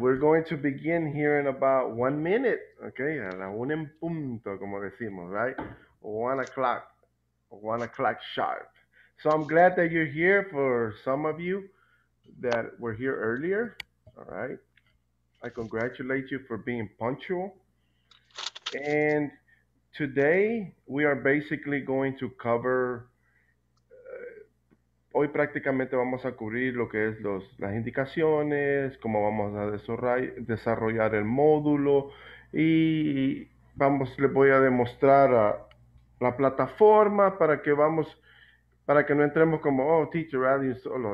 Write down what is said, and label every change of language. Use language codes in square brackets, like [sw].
[en] We're going to begin here in about 1 minute. [es] Okay, a la una en punto, como decimos, right? [en] 1 o'clock. 1 o'clock sharp. So I'm glad that you're here for some of you that were here earlier. All right. I congratulate you for being punctual. And today we are basically going to cover. [es] Hoy prácticamente vamos a cubrir lo que es las indicaciones, cómo vamos a desarrollar el módulo y les voy a demostrar a la plataforma para que no entremos como, oh, teacher, adiós, solo.